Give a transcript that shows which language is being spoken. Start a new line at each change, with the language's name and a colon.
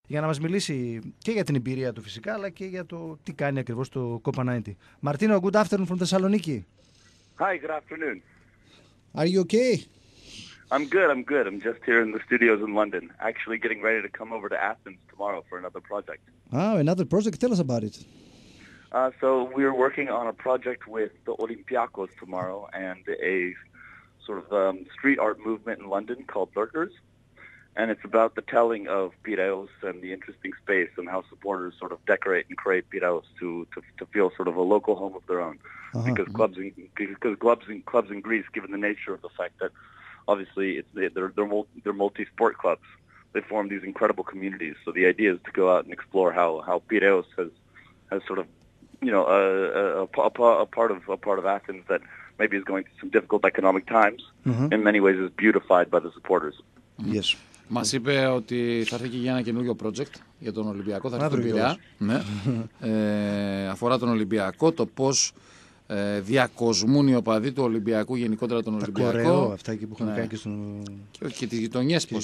Greek: για να μας μιλήσει και για την εμπειρία του φυσικά, αλλά και για το τι κάνει ακριβώς το COPPA 90.
English: Μαρτίνο, good afternoon from Θεσσαλονίκη. Hi, good afternoon. Are you okay? I'm good. I'm just here in the studios in London, actually getting ready to come over to Athens tomorrow for another project. Oh, another project? Tell us about it. So we're working on a project with the Olympiacos tomorrow and a sort of street art movement in London called Lurkers. And it's about the telling of Piraeus and the interesting space and how supporters sort of decorate and create Piraeus to feel sort of a local home of their own. Uh-huh. Because clubs in Greece, given the nature of the fact that obviously they're multi-sport clubs, they form these incredible communities. So the idea is to go out and explore how Piraeus has sort of, you know, a part of Athens that maybe is going through some difficult economic times, uh-huh, in many ways is beautified by the supporters. Yes.
Greek: Μας είπε ότι θα έρθει και για ένα καινούριο project για τον Ολυμπιακό. Θα έρθει τον Πειραιά. Ναι. Αφορά τον Ολυμπιακό, το πώς διακοσμούν οι οπαδοί του Ολυμπιακού, γενικότερα τον Ολυμπιακό. Τα κορεώ, αυτά εκεί που έχουν, ναι, κάνει και στον... Και τις γειτονιές, πώς.